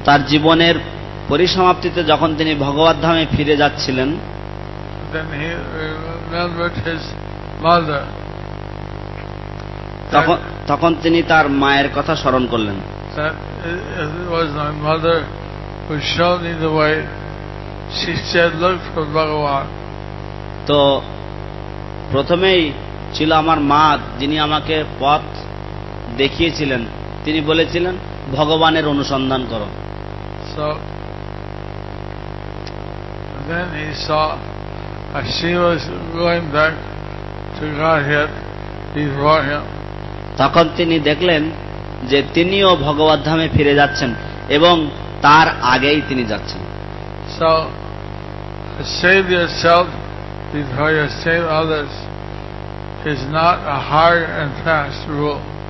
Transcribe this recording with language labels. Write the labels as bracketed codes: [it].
[bn] তার জীবনের পরিসমাপ্তিতে যখন তিনি ভগবদ্ধামে ফিরে যাচ্ছিলেন, [en] than he remembered his mother. [bn] তখন তিনি তার মায়ের কথা স্মরণ করলেন. [en] That it was my mother who showed me the way. She said, "Look for Bhagavan." [bn] তো প্রথমেই ছিল আমার মা যিনি আমাকে পথ দেখিয়েছিলেন. তিনি বলেছিলেন ভগবানের অনুসন্ধান করো. [en] So then he saw, as she was going back to Godhead before him. [bn] তখন তিনি দেখলেন যে তিনিও ভগবত ধামে ফিরে যাচ্ছেন এবং তার আগেই তিনি যাচ্ছেন. [en] So save yourself before you save others is not a hard and fast rule.